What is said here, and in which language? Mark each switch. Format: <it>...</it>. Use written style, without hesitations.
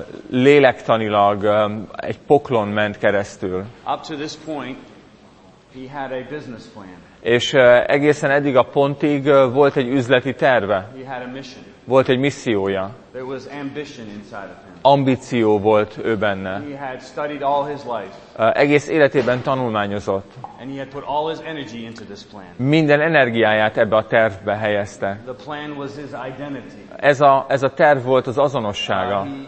<hu>Lélektanilag egy poklon ment keresztül.</hu> <en>Up to this point, he had a business plan.</en> <hu>És egészen eddig a pontig volt egy üzleti terve.</hu> <en>He had a mission.</en> <hu>Volt egy missziója.</hu> <en>There was ambition inside of him.</en> <hu>Ambíció volt ő benne.</hu> <en>He had studied all his life.</en> <hu>Egész életében tanulmányozott.</hu> <en>And he had put all his energy into this plan.</en> <hu>Minden energiáját ebbe a tervbe helyezte.</hu> <en>The plan was his identity.</en> <hu>Ez a terv volt az azonossága.</hu>